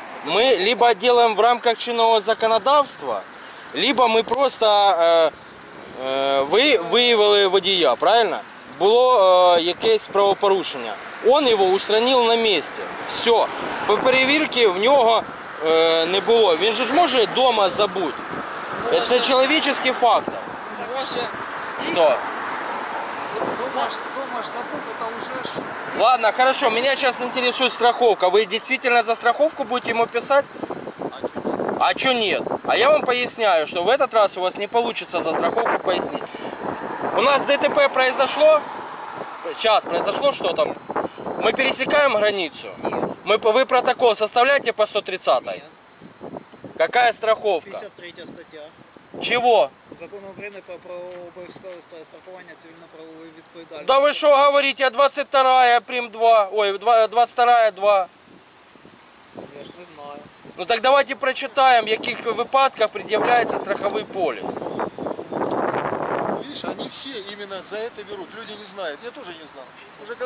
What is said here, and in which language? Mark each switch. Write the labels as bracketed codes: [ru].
[ru] Мы либо делаем в рамках чинного законодательства, либо мы просто вы выявили водія, правильно? [uk] Було якесь правопорушення. Он його устранив на місці. Все. По перевірці в нього не було. Він же ж може вдома забути. Це чоловічий фактор. Боже. Що? Дома ж забув, це вже ж. [ru] Ладно, хорошо. [uk] Мене зараз інтересує страховка. Ви дійсно за страховку будете йому писати? [ru] А чё нет? А я вам поясняю, что в этот раз у вас не получится за страховку пояснить. У нас ДТП произошло. Сейчас произошло что там? Мы пересекаем границу. Вы протокол составляете по 130-й? Нет. Какая страховка? 53-я статья. Чего? Закон Украины по правообов'язкове страхование цивильно-правовой відповідальності. Да вы что говорите, 22-я прим 2. Ой, 22-я 2. Я ж не знаю. Ну так давайте прочитаем, в каких выпадках предъявляется страховой полис. Видишь, они все именно за это берут. Люди не знают. Я тоже не знал. Уже